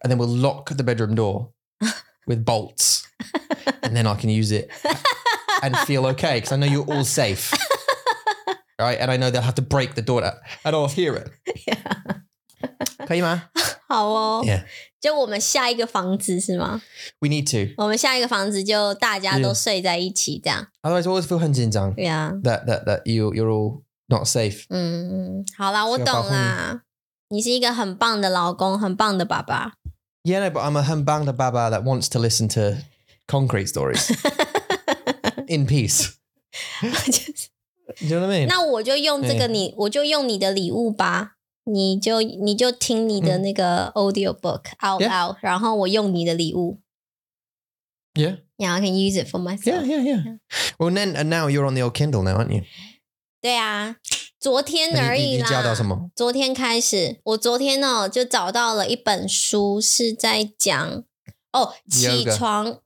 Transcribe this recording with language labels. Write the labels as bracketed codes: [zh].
[en] And then we'll lock the bedroom door with bolts. And then I can use it and feel okay because I know you're all safe. Right, and I know they'll have to break the door and I'll hear it. Yeah. [zh] 可以吗? 好哦。 [en] Yeah. [zh] 就我们下一个房子是吗? [en] We need to. [zh] 我们下一个房子就大家都睡在一起这样。 [en] Yeah. Otherwise, I always feel [zh] 很紧张。 [en] Yeah. That you're all not safe. [zh] 好啦,我懂啦。你是一个很棒的老公,很棒的爸爸。 [en] Yeah, no, but I'm a [zh] 很棒的爸爸 [en] that wants to listen to concrete stories. In peace. Do you know what I mean? [zh] 那我就用这个你, yeah. 我就用你的礼物吧, 你就听你的那个audiobook [en] out loud, [zh] 然后我用你的礼物。 [en] Yeah. Yeah, I can use it for myself. Yeah, yeah, yeah. Well, then, and now you're on the old Kindle now, aren't you? [zh] 对啊, 昨天而已啦。你加到什么?昨天开始, 我昨天哦, 就找到了一本书, 是在讲, 哦, 起床,